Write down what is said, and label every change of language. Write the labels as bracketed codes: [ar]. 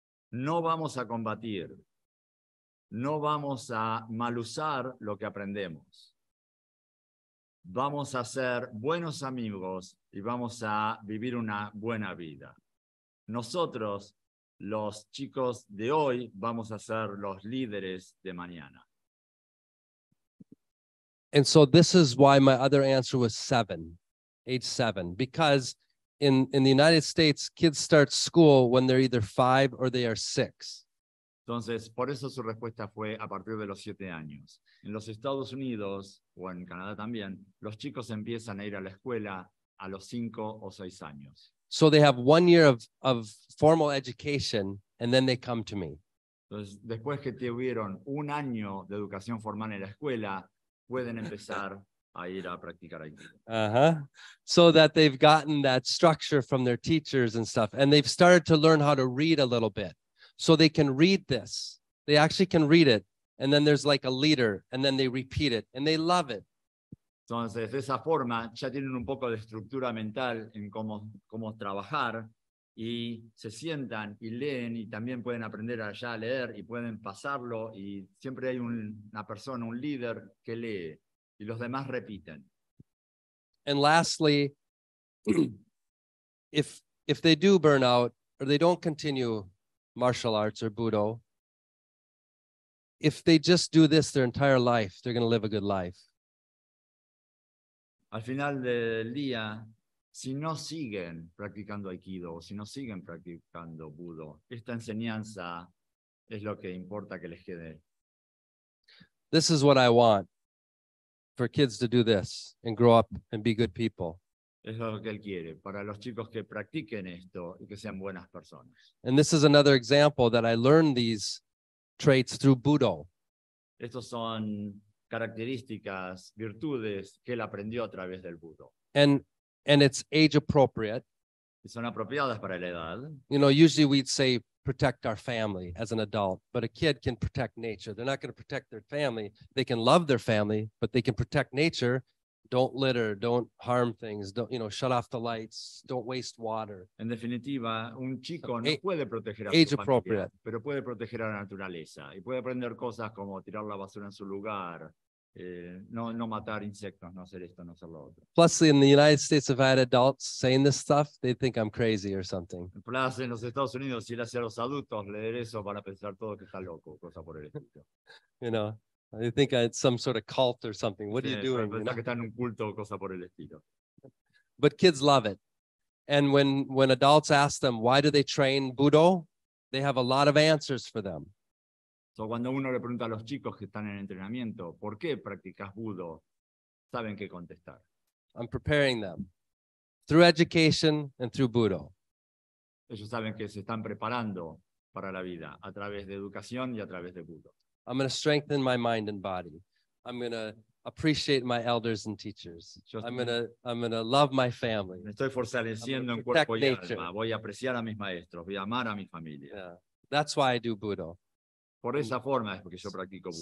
[es] No vamos a combatir. No vamos a malusar lo que aprendemos. Vamos a ser buenos amigos y vamos a vivir una buena vida. Nosotros, los chicos de hoy, vamos a ser los líderes de mañana. [en] And so this is why my other answer was seven, age seven. Because in the United States, kids start school when they're either five or they are six. [es] Entonces, por eso su respuesta fue a partir de los 7 años. En los Estados Unidos, o en Canadá también, los chicos empiezan a ir a la escuela a los 5 o 6 años. [en] So they have 1 year of formal education, and then they come to me. [es] Entonces, después que tuvieron 1 año de educación formal en la escuela, pueden empezar a ir a practicar aquí. [en] So that they've gotten that structure from their teachers and stuff, and they've started to learn how to read a little bit. So they can read this. They actually can read it. And then there's like a leader. And then they repeat it. And they love it. [es] Entonces, de esa forma, ya tienen un poco de estructura mental en cómo trabajar. Y se sientan y leen. Y también pueden aprender allá a leer. Y pueden pasarlo. Y siempre hay una persona, un líder, que lee. Y los demás repiten. [en] And lastly, if they do burn out, or they don't continue martial arts or Budo, if they just do this their entire life, they're going to live a good life. [es] Al final del día, si no siguen practicando Aikido, si no siguen practicando Budo, esta enseñanza es lo que importa que les quede. [en] This is what I want for kids to do this and grow up and be good people. [es] Es lo que él quiere, para los chicos que practiquen esto y que sean buenas personas. [en] And this is another example that I learned these traits through Budo. [es] Estos son características, virtudes que él aprendió a través del Budo. [en] And it's age appropriate. [es] Y son apropiadas para la edad. [en] You know, usually we'd say protect our family as an adult, but a kid can protect nature. They're not going to protect their family. They can love their family, but they can protect nature. Don't litter, don't harm things, don't, you know, shut off the lights, don't waste water. [es] En definitiva, un chico no puede proteger a su familia, pero puede proteger a la naturaleza y puede aprender cosas como tirar la basura en su lugar, no matar insectos, no hacer esto, no hacer lo otro. [en] Plus, in the United States, if I had adults saying this stuff, they'd think I'm crazy or something. [es] Plus, en los Estados Unidos, si le hacía a los adultos leer eso, van a pensar todo que está loco, cosa por el estilo. [en] You know. I think it's some sort of cult or something. What are you doing? [es] Pero que está en un culto o cosa por el estilo. [en] But kids love it. And when adults ask them, why do they train Budo? They have a lot of answers for them. [es] So cuando uno le pregunta a los chicos que están en entrenamiento, ¿por qué practicas Budo? Saben qué contestar. [en] I'm preparing them. Through education and through Budo. [es] Ellos saben que se están preparando para la vida a través de educación y a través de Budo. [en] I'm going to strengthen my mind and body. I'm going to appreciate my elders and teachers. I'm going to love my family. [es] Me estoy fortaleciendo en cuerpo y alma. Voy a apreciar a mis maestros. Voy a amar a mi familia. [en] Yeah. That's why I do Budo. [es] Por esa forma es porque yo practico Budo.